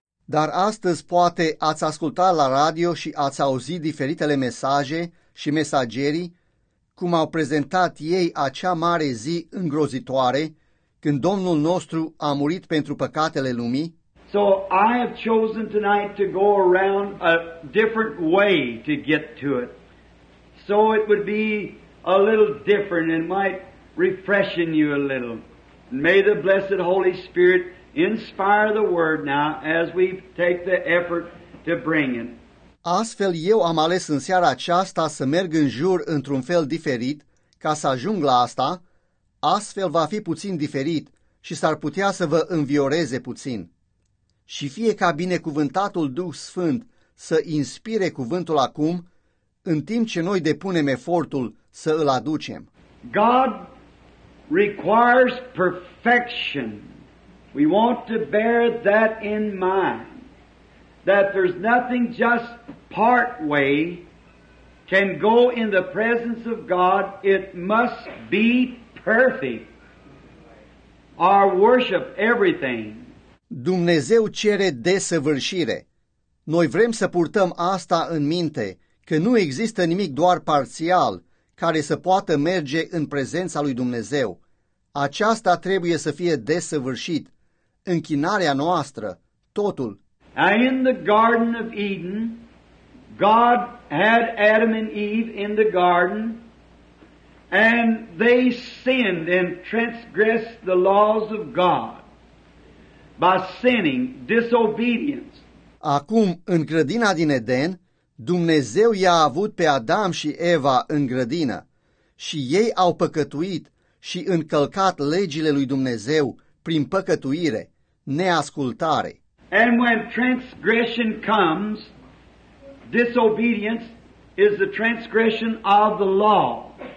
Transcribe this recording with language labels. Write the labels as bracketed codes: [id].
[ro] Dar astăzi poate ați ascultat la radio și ați auzit diferitele mesaje și mesagerii cum au prezentat ei acea mare zi îngrozitoare când Domnul nostru a murit pentru păcatele lumii. [en] So I have chosen tonight to go around a different way to get to it. So it would be a little different and might refreshen you a little. May the blessed Holy Spirit inspire the word now as we take the effort to bring it. [ro] Astfel, eu am ales în seara aceasta să merg în jur într-un fel diferit ca să ajung la asta. Astfel va fi puțin diferit și s-ar putea să vă învioreze puțin. Și fie ca binecuvântatul Duh Sfânt să inspire cuvântul acum, în timp ce noi depunem efortul să îl aducem. [en] God requires perfection. We want to bear that in mind. That there's nothing just part way can go in the presence of God. It must be perfect. Our worship, everything. [ro] Dumnezeu cere desăvârșire. Noi vrem să purtăm asta în minte, că nu există nimic doar parțial care să poată merge în prezența lui Dumnezeu. Aceasta trebuie să fie desăvârșit. Închinarea noastră, totul. [en] Now in the Garden of Eden, God had Adam and Eve in the garden, and they sinned and transgressed the laws of God by sinning, disobedience. [ro] Acum, în grădina din Eden, Dumnezeu i-a avut pe Adam și Eva în grădină, și ei au păcătuit și încălcat legile lui Dumnezeu prin păcătuire, neascultare. [en] And when transgression comes, disobedience is the transgression of the law.